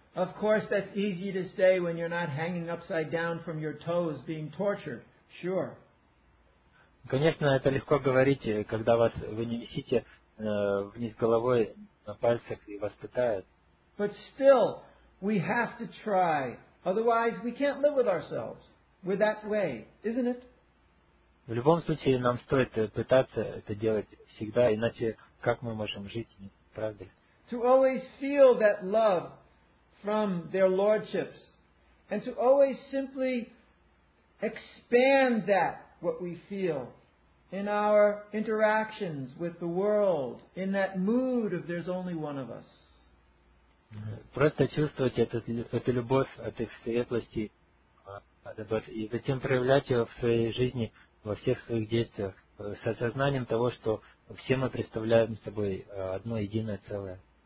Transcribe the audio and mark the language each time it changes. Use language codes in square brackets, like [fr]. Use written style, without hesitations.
[en] Of course, that's easy to say when you're not hanging upside down from your toes being tortured. Sure. [ru] Конечно, это легко говорить, когда вы не висите вниз головой на пальцах и вас пытают. [en] But still, we have to try. Otherwise, we can't live with ourselves. We're that way, isn't it? [ru] В любом случае, нам стоит пытаться это делать всегда, иначе как мы можем жить, правда? [en] To always feel that love from their lordships, and to always simply expand that what we feel in our interactions with the world, in that mood of there's only one of us. [ru] Просто чувствовать эту любовь от их светлости, и затем проявлять ее в своей жизни, во всех своих действиях, с осознанием того, что все мы представляем собой одно единое целое.